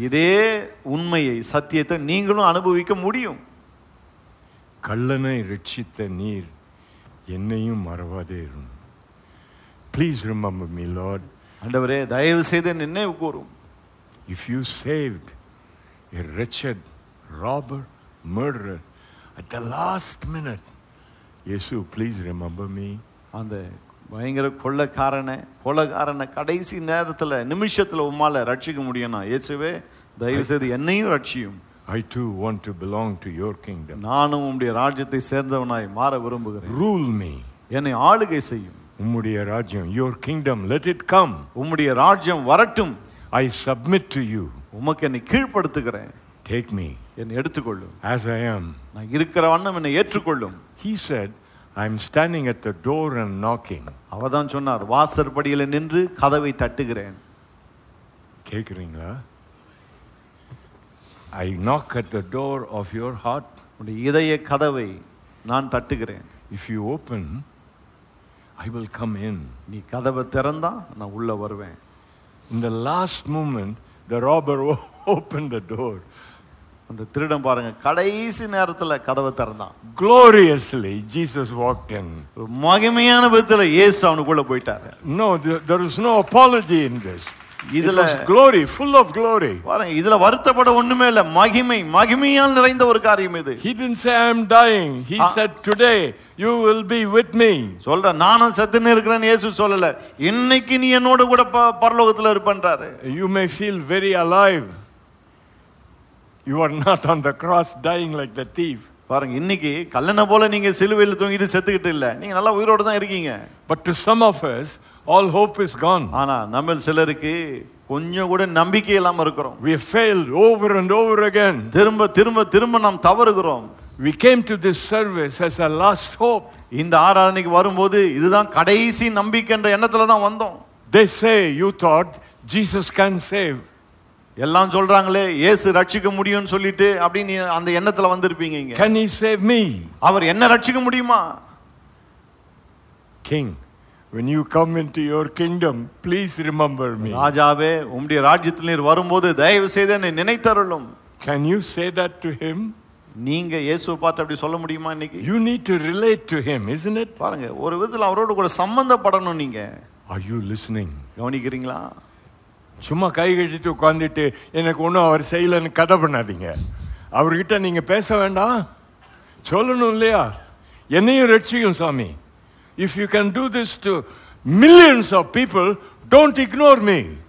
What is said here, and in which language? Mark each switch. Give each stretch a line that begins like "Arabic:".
Tamil: இதே உண்மையை, சத்தியத்தை நீங்களும் அனுபவிக்க முடியும். கள்ளனை ரட்சித்த நீர் என்னையும் மறவாதே.
English: Please remember me, Lord.
Tamil: ஆண்டவரே, தயவு செய்து நினைவு கூறும்.
English: If you saved a wretched robber, murderer at the last minute, Yesu, please remember me.
Tamil: அந்த பயங்கர கொள்ளக்காரனை கடைசி நேரத்தில் நிமிஷத்தில் உம்மால ரட்சிக்க முடியும்னா, இயேசுவே, தயவுசெய்து என்னையும் ரட்சியும்.
English: I too want to belong to your kingdom.
Tamil: நானும் உம்முடைய ராஜ்யத்தை சேர்ந்தவனாய் மாற விரும்புகிறேன்.
English: Rule me.
Tamil: என்னை ஆளுகை செய்யும். உம்முடைய ராஜ்யம்,
English: your kingdom, let it come.
Tamil: உம்முடைய ராஜ்யம் வரட்டும்.
English: I submit to you.
Tamil: உமக்கு என்னை கீழ்ப்படுத்துகிறேன்.
English: Take me.
Tamil: என்னை எடுத்துக்கொள்ளும்.
English: As I am.
Tamil: நான் இருக்கிற வண்ணம் என்னை ஏற்றுக்கொள்ளும்.
English: He said, I'm standing at the door and knocking.
Tamil: அவதான் சொன்னார், வாசற்படியில் நின்று கதவை தட்டுகிறேன். கேக்குறீங்களா?
English: I knock at the door of your heart.
Tamil: உன் இதய கதவை நான் தட்டுகிறேன்.
English: If you open, I will come in.
Tamil: நீ கதவை திறந்தா நான் உள்ள வருவேன்.
English: In the last moment, the robber opened the door.
Tamil: அந்த திருடன் பாருங்க, கடைசி நேரத்துல கதவை திறந்தான்.
English: Gloriously Jesus walked in.
Tamil: ஒரு மகிமையான விதத்துல இயேசு அவனுக்குள்ள போயிட்டாரு.
English: No, there is no apology in this.
Tamil: இதுல
English: glory, full of glory.
Tamil: பாருங்க, இதுல வருத்தப்பட ஒண்ணுமே இல்ல. மகிமை, மகிமையால் நிறைந்த ஒரு காரியம் இது.
English: He didn't say I am dying. He said today you will be with me.
Tamil: சொல்ற நானும் செத்து நிற்கிறேன் இயேசு சொல்லல. இன்னைக்கு நீ என்னோட கூட பரலோகத்துல இருப்பன்றாரு.
English: You may feel very alive. You are not on the cross dying like the thief.
Tamil: பாருங்க, இன்னைக்கு கல்லன போல நீங்க சிலுவையில தொங்கிட்டு செத்துக்கிட்டு இல்ல, நீங்க நல்லா உயிரோட தான் இருக்கீங்க.
English: But to some of us, all hope is gone.
Tamil: ஆனா நம்ம சிலருக்கு கொஞ்சம் கூட நம்பிக்கை இல்லாம இருக்கிறோம்.
English: We failed over and over again.
Tamil: திரும்ப திரும்ப திரும்ப நாம் தவறுகிறோம்.
English: We came to this service as a last hope.
Tamil: இந்த ஆராதனைக்கு வரும்போது இதுதான் கடைசி நம்பிக்கைன்ற எண்ணத்துல தான் வந்தோம்.
English: They say you thought Jesus can save.
Tamil: எல்லாம் சொல்றாங்களே இயேசு ரட்சிக்க முடியும்னு சொல்லிட்டு அப்படின்னு அந்த எண்ணத்துல வந்திருப்பீங்க.
English: Can he save me?
Tamil: அவர் என்ன ரட்சிக்க முடியுமா?
English: King, when you come into your kingdom, please remember me.
Tamil: ராஜாவே, உம்முடைய ராஜ்யத்தில் நீர் வரும்போது தயவு செய்து என்னை நினைத்தருளும்.
English: Can you say that to him?
Tamil: நீங்க இயேசுவை பார்த்து அப்படி சொல்ல முடியுமா இன்னைக்கு?
English: You need to relate to him, isn't it?
Tamil: பாருங்க, ஒரு விதத்துல அவரோடு கூட சம்பந்தப்படணும் நீங்க.
English: Are you listening?
Tamil: கவனிக்கிறீங்களா? சும்மா கை கட்டிட்டு உட்காந்துட்டு எனக்கு ஒன்றும் அவர் செய்யலன்னு கதை பண்ணாதீங்க. அவர்கிட்ட நீங்க பேச வேண்டாம், சொல்லணும் இல்லையா? என்னையும் ரட்சிக்கும் சாமி.
English: If you can do this to millions of people, don't ignore me.